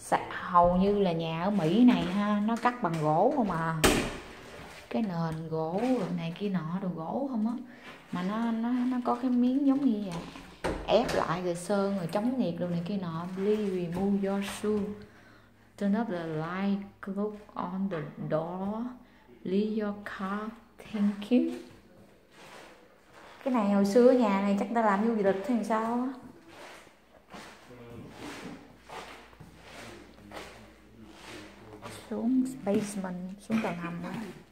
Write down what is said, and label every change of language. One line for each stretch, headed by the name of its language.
Vietnamese: Hầu như là nhà ở Mỹ này ha, nó cắt bằng gỗ không à. Cái nền gỗ này kia nọ, đồ gỗ không á. Mà nó có cái miếng giống như vậy. Ép lại rồi sơn rồi chống nhiệt đồ này kia nọ.
English: Please remove your shoe. Turn up the light, click on the door. Leave your car, thank you.
Vietnamese: Cái này hồi xưa nhà này chắc ta làm du lịch thì sao á. Xuống basement, xuống tầng hầm á.